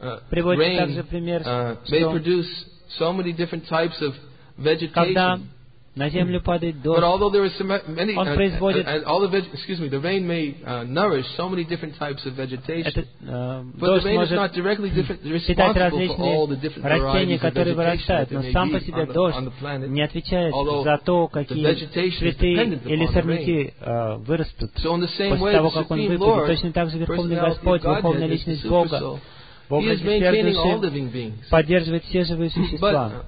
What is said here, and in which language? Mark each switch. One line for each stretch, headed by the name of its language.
Russian: Приводит также пример, что когда на землю падает дождь, он производит...
English: The rain may nourish so many different types of vegetation. But the rain is not directly
Russian: которые вырастают, но сам по себе дождь не отвечает за то, какие цветы или сорняки вырастут после того, как он выпадет. Точно так же Верховный Господь, Верховная Личность Бога, в образе Сверхдуши поддерживает все живые существа.